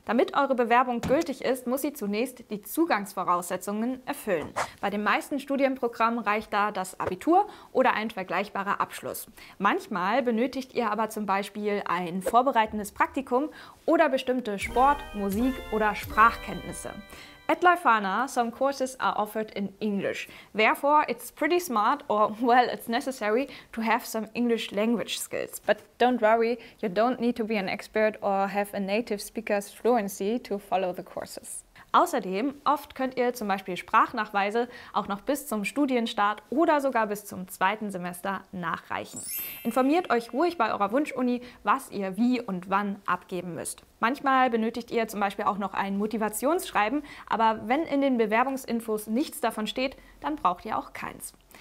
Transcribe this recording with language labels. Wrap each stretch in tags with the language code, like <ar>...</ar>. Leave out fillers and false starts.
<de>Damit eure Bewerbung gültig ist, muss sie zunächst die Zugangsvoraussetzungen erfüllen. Bei den meisten Studienprogrammen reicht da das Abitur oder ein vergleichbarer Abschluss. Manchmal benötigt ihr aber zum Beispiel ein vorbereitendes Praktikum oder bestimmte Sport-, Musik- oder Sprachkenntnisse.</de> <en>At Leuphana, some courses are offered in English. Therefore, it's pretty smart or, well, it's necessary to have some English language skills. But don't worry, you don't need to be an expert or have a native speaker's fluency to follow the courses.</en> <de>Außerdem, oft könnt ihr zum Beispiel Sprachnachweise auch noch bis zum Studienstart oder sogar bis zum zweiten Semester nachreichen. Informiert euch ruhig bei eurer Wunschuni, was ihr wie und wann abgeben müsst. Manchmal benötigt ihr zum Beispiel auch noch ein Motivationsschreiben, aber wenn in den Bewerbungsinfos nichts davon steht, dann braucht ihr auch keins.</de>